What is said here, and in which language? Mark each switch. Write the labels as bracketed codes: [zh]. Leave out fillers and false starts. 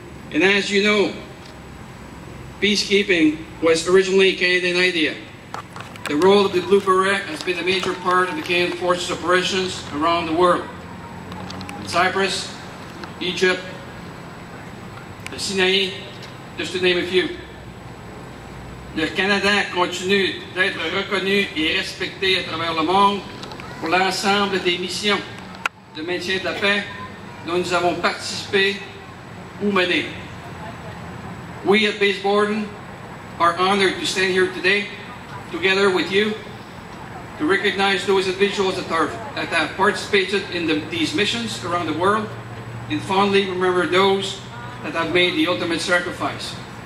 [en] And as you know, peacekeeping was originally a Canadian idea. The role of the Blue Beret has been a major part of the Canadian Forces operations around the world. In Cyprus, Egypt, the Sinai, just to name a few. [fr] Le Canada continue d'être reconnu et respecté à travers le monde pour l'ensemble des missions de maintien de la paix dont nous avons participé ou mené. [en] We at Base Borden are honored to stand here today together with you to recognize those individuals that have participated in these missions around the world and fondly remember those that have made the ultimate sacrifice.